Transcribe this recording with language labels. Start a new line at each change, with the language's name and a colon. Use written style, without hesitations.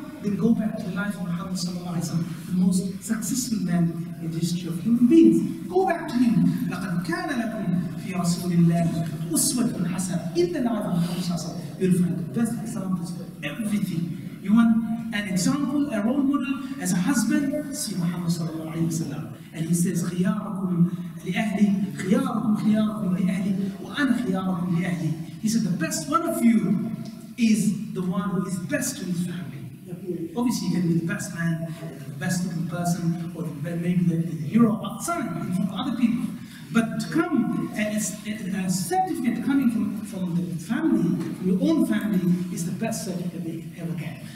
English: Then go back to the life of Muhammad sallallahu alayhi wa sallam, the most successful man in the history of human beings. Go back to him.
Arabic: لَقَدْ كَانَ لَكُمْ فِي رَسُولِ اللَّهِ أُسْوَةٌ حَسَنَةٌ.
English: In the life of Muhammad sallallahu alayhi wa sallam, you'll find the best examples for everything. You want an example, a role model, as a husband, see Muhammad sallallahu alayhi wa sallam. And he says,
Arabic: خِيَارَكُمْ لِأَهْلِي خِيَارَكُمْ خِيَارَكُمْ لِأَهْلِي وَأَنَا خِيَارَكُمْ لِأَهْلِي.
English: He said, the best one of you is the one who is best to his family. Yeah. Obviously, you can be the best man, the best looking person, or maybe the hero outside in front of other people. But to come as a certificate coming from the family, from your own family, is the best certificate they ever get.